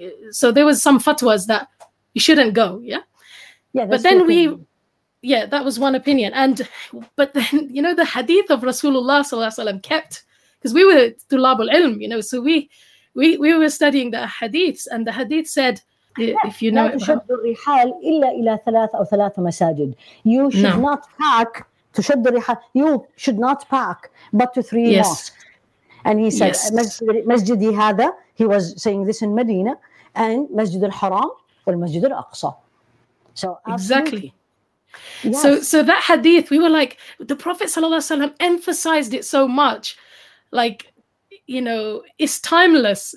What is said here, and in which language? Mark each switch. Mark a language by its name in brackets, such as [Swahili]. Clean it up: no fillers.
[English] So there was some fatwas that you shouldn't go, yeah? But then that was one opinion. But then, you know, the hadith of Rasulullah sallallahu alaihi wasallam kept, because we were tulab al-ilm, you know, so we were studying the hadiths, and the hadith said, if you know, [Arabic] تشد الرحال إلا إلى ثلاث أو ثلاث مساجد. [English] You should not pack. [Arabic] تشد الرحال. [English] You should not pack, but to three mosques. And he said, [Arabic] مسجد هذا. [English] He was saying this in Medina, and [Arabic] مسجد الحرام والمسجد الأقصى. [English] So exactly. So that hadith, we were like, the Prophet صلى الله عليه وسلم emphasized it so much, like, you know, it's timeless.